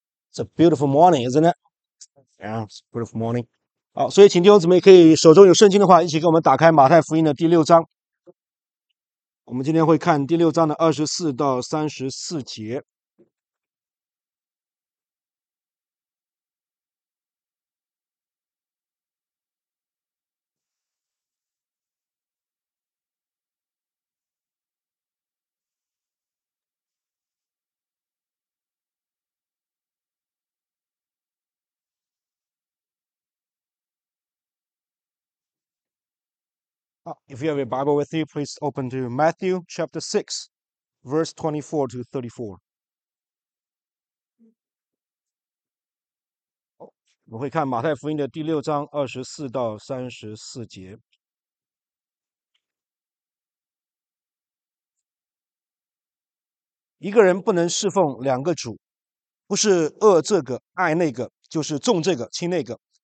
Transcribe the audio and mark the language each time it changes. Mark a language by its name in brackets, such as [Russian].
[English] It's a beautiful morning, isn't it? Yeah, it's a beautiful morning. [Chinese] 好，所以请弟兄姊妹可以手中有圣经的话，一起跟我们打开马太福音的第六章。我们今天会看第六章的24到34节。 [English] If you have your Bible with you, please open to Matthew chapter 6, verse 24 to 34. [Chinese] 我们会看马太福音的第六章24到34节。一个人不能侍奉两个主，不是恶这个爱那个，就是重这个轻那个。